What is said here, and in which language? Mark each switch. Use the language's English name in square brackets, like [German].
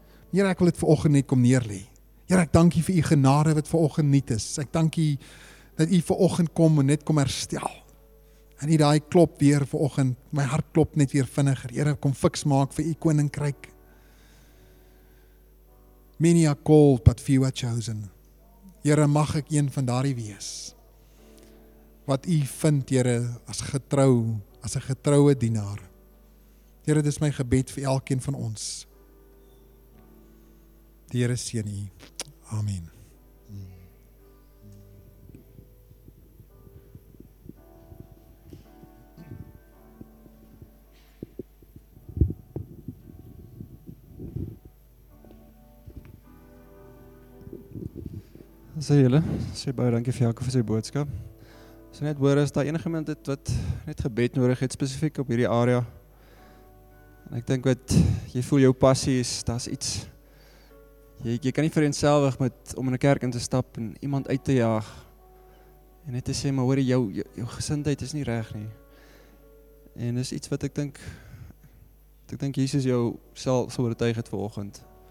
[Afrikaans] Here, ek wil dit vanoggend net kom neerlê. Here, ek dank u vir u genade wat vanoggend nuut is. Ek dank u dat u vanoggend kom en net kom herstel. En die daai klop weer vanoggend, my hart klop net weer vinniger. Here, kom fiks maak vir u koninkryk. [English] Many are called, but few are chosen. [Afrikaans] Here, mag ek een van daardie wees. Wat u vind, Here, as getrou, as 'n getroue dienaar. Here, dis my gebed vir elkeen van ons. Die Here seën u. Amen. Sê julle, sê baie dankie vir Jacob vir sy boodskap. So net hoor as daar enige iemand het wat net gebed nodig het spesifiek op hierdie area. En ek dink wat jy voel jou passie is, daar's iets. Jy kan nie vereenselwig met om in 'n kerk in te stap en iemand uit te jaag. En net te sê maar hoor jou gesindheid is nie reg nie. En dis iets wat ek dink Jesus jou sal oortuig het vanoggend.